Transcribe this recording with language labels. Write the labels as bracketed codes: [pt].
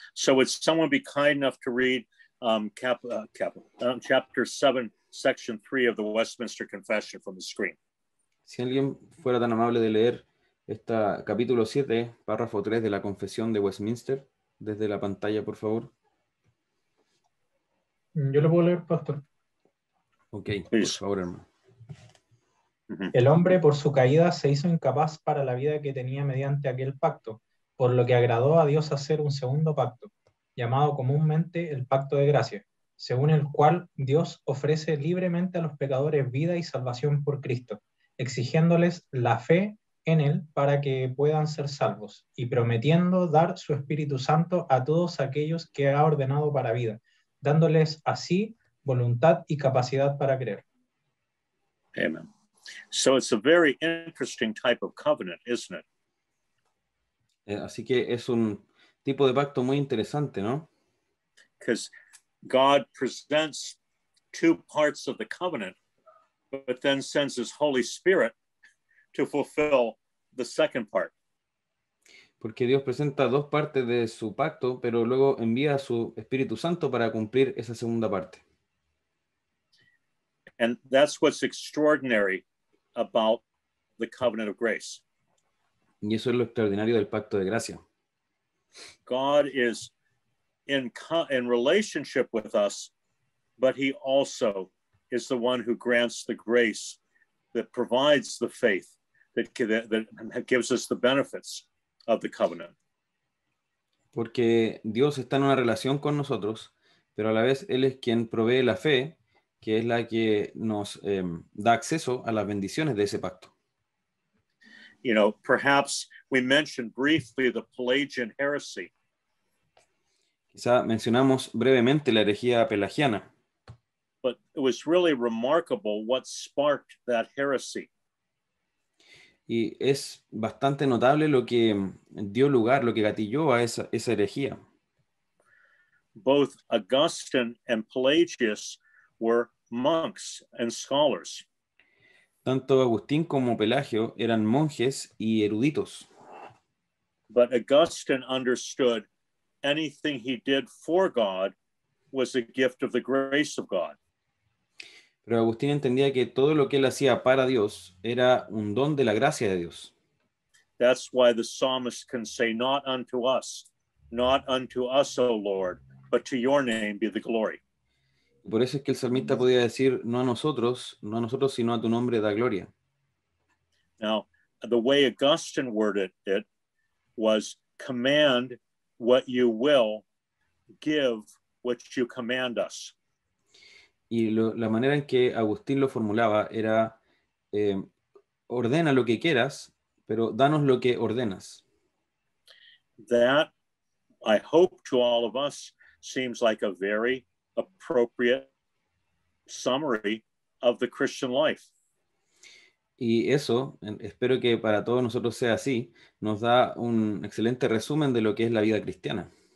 [en] So would someone be kind enough to read chapter 7, section 3 of the Westminster Confession from the screen? [es] Si alguien fuera tan amable de leer esta capítulo 7, párrafo 3 de la Confesión de Westminster, desde la pantalla, por favor. Yo lo puedo leer, pastor. [en] Okay, please. [es] Por favor, hermano. El hombre, por su caída, se hizo incapaz para la vida que tenía mediante aquel pacto, por lo que agradó a Dios hacer un segundo pacto, llamado comúnmente el pacto de gracia, según el cual Dios ofrece libremente a los pecadores vida y salvación por Cristo, exigiéndoles la fe en Él para que puedan ser salvos, y prometiendo dar su Espíritu Santo a todos aquellos que ha ordenado para vida, dándoles así voluntad y capacidad para creer. Amén. [en] So it's a very interesting type of covenant, isn't it? [es] Así que es un tipo de pacto muy interesante, ¿no? [en] Because God presents two parts of the covenant, but then sends his Holy Spirit to fulfill the second part. [es] Porque Dios presenta dos partes de su pacto, pero luego envía a su Espíritu Santo para cumplir esa segunda parte. [en] And that's what's extraordinary about the covenant of grace. [es] Y eso es lo extraordinario del pacto de gracia. [en] God is in relationship with us, but he also is the one who grants the grace that provides the faith that gives us the benefits of the covenant. [es] Porque Dios está en una relación con nosotros, pero a la vez él es quien provee la fe, que es la que nos da acceso a las bendiciones de ese pacto. [en] You know, perhaps we mentioned briefly the Pelagian heresy. [es] Quizá mencionamos brevemente la herejía pelagiana. [en] But it was really remarkable what sparked that heresy. [es] Y es bastante notable lo que dio lugar, lo que gatilló a esa herejía. [en] Both Augustine and Pelagius were monks and scholars. [es] Tanto Agustín como Pelagio eran monjes y eruditos. [en] But Augustine understood anything he did for God was a gift of the grace of God. [es] Pero Agustín entendía que todo lo que él hacía para Dios era un don de la gracia de Dios. [en] That's why the psalmist can say, not unto us, O Lord, but to your name be the glory. [es] Por eso es que el salmista podía decir, no a nosotros, sino a tu nombre da gloria. [en] Now, the way Augustine worded it was, command what you will, give what you command us. [es] Y la manera en que Agustín lo formulaba era, ordena lo que quieras, pero danos lo que ordenas. [en] That, I hope to all of us, seems like a very appropriate summary of the Christian life. [es] Y eso, espero que para todos nosotros sea así, nos da un excelente resumen de lo que es la vida cristiana.